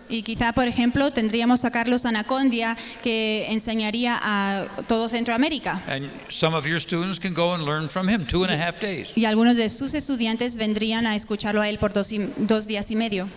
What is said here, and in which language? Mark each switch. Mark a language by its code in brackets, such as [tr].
[es] Y quizá, por ejemplo, tendríamos a Carlos Anacondia que enseñaría a todo Centroamérica. [en] And some of your students can go and learn from him 2.5 days. [es] Y algunos de sus estudiantes vendrían a escucharlo a él por dos días y medio.